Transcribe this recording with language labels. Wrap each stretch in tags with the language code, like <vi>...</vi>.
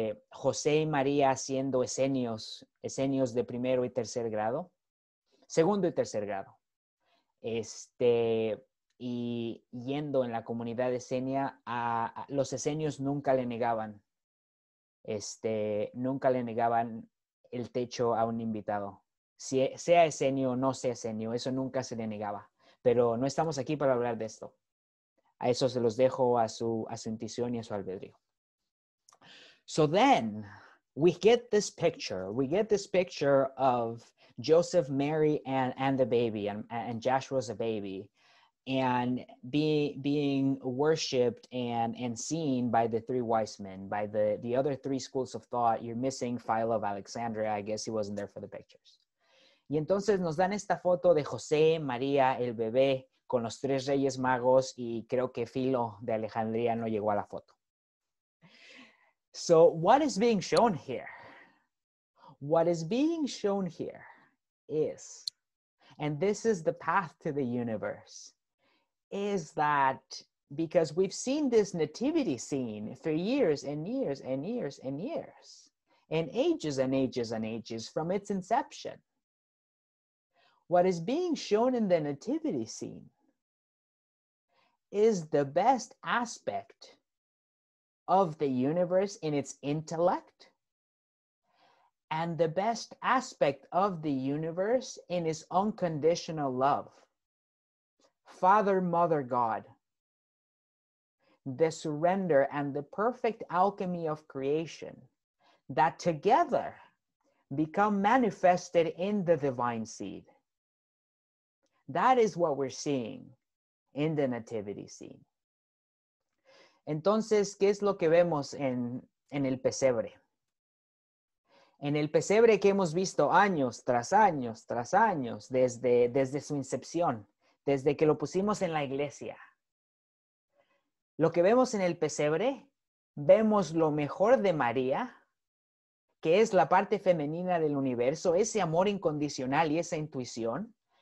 <es>José y María siendo esenios de primero y tercer grado, segundo y tercer grado, y yendo en la comunidad esenia, los esenios nunca le negaban. Nunca le negaban el techo a un invitado. Si sea esenio o no sea esenio, eso nunca se le negaba. Pero no estamos aquí para hablar de esto. A eso se los dejo a su intuición y a su albedrío.</es> <en>So then, we get this picture of Joseph, Mary, and the baby, and Joshua's a baby, and being worshipped and seen by the three wise men, by the other three schools of thought. You're missing Philo of Alexandria. I guess he wasn't there for the pictures.</en> <es>Y entonces nos dan esta foto de José, María, el bebé, con los tres reyes magos, y creo que Philo de Alejandría no llegó a la foto.</es> <en>So what is being shown here? What is being shown here is, and this is the path to the universe, is that because we've seen this nativity scene for years and years and years and years, and ages and ages and ages from its inception, what is being shown in the nativity scene is the best aspect of the universe in its intellect, and the best aspect of the universe in its unconditional love. Father, Mother, God, the surrender and the perfect alchemy of creation that together become manifested in the divine seed. That is what we're seeing in the nativity scene.</en> <es>Entonces, ¿qué es lo que vemos en el pesebre? En el pesebre que hemos visto años tras años tras años, desde su incepción, desde que lo pusimos en la iglesia. Lo que vemos en el pesebre, vemos lo mejor de María, que es la parte femenina del universo, ese amor incondicional y esa intuición.</es>